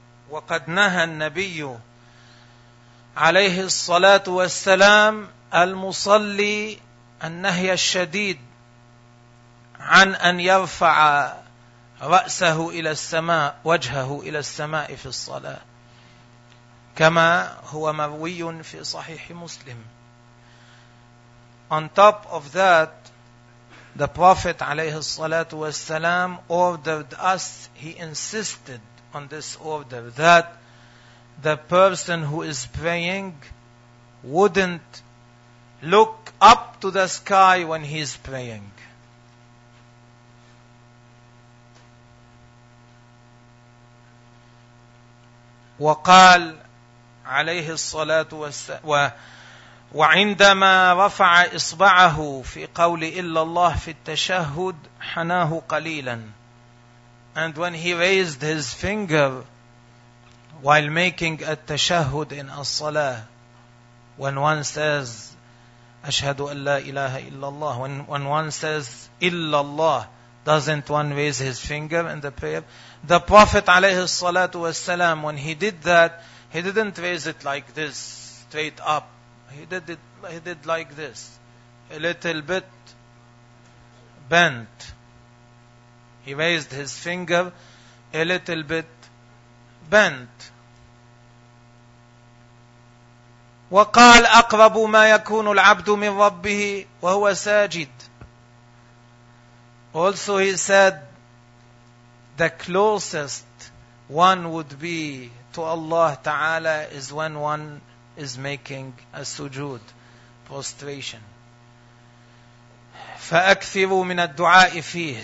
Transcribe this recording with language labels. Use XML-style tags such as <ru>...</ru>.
<ar>وقد نهى النبي عليه الصلاة والسلام المصلي النهي الشديد عن أن يرفع رأسه إلى السماء، وجهه إلى السماء في الصلاة، كما هو مروي في صحيح مسلم.</ar> <en>On top of that, the Prophet</en> <ar>عليه الصلاة والسلام</ar> <en>ordered us, he insisted on this order, that the person who is praying wouldn't look up to the sky when he is praying.</en> <ar>وقال عليه الصلاة والسلام وعندما رفع إصبعه في قول إلا الله في التشهد حناه قليلا.</ar> <en>And when he raised his finger while making a tashahud in a salah, when one says,</en> <ar>Ashhadu an la ilaha illallah,</ar> <en>when one says, illallah, doesn't one raise his finger in the prayer? The Prophet</en> <ar>alayhi salatu wasalam,</ar> <en>when he did that, he didn't raise it like this, straight up. He did like this, a little bit bent. He raised his finger a little bit bent.</en> <ar>وقال أقرب ما يكون العبد من ربه وهو ساجد.</ar> <en>Also he said, the closest one would be to Allah Ta'ala is when one is making a sujood, prostration.</en> <ar>فَأَكْثِرُوا مِنَ الدُّعَاءِ فِيهِ.</ar>